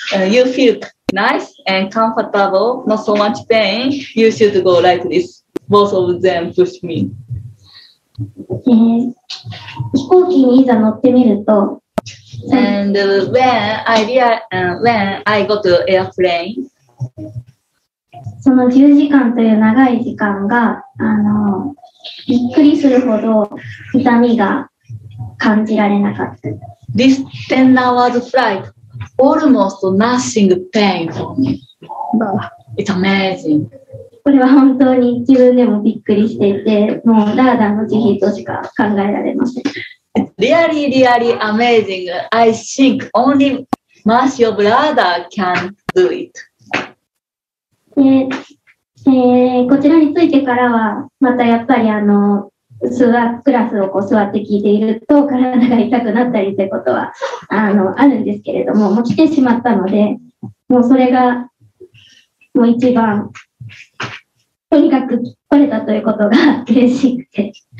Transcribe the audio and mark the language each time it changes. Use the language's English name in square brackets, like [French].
[English] You feel nice and comfortable, not so much pain. You should go like this. Both of them push me. [Japanese] 飛行機にいざ乗ってみると。 [English] And when I got to airplane, [Japanese] その10時間という長い時間が、びっくりするほど痛みが感じられなかった。 [English] This 10 hours flight, almost nothing pain for me. It's amazing. [Japanese] これは本当に自分でもびっくりしていて、もうラーダの慈悲としか考えられません。 [English] Really, really amazing. I think only mercy of Radha can do it. [Japanese] こちらについてからはまたやっぱりあの座っクラスをこう座って聞いていると体が痛くなったりということはあのあるんですけれども、もう来てしまったのでもうそれがもう一番とにかく来れたということが嬉しくて。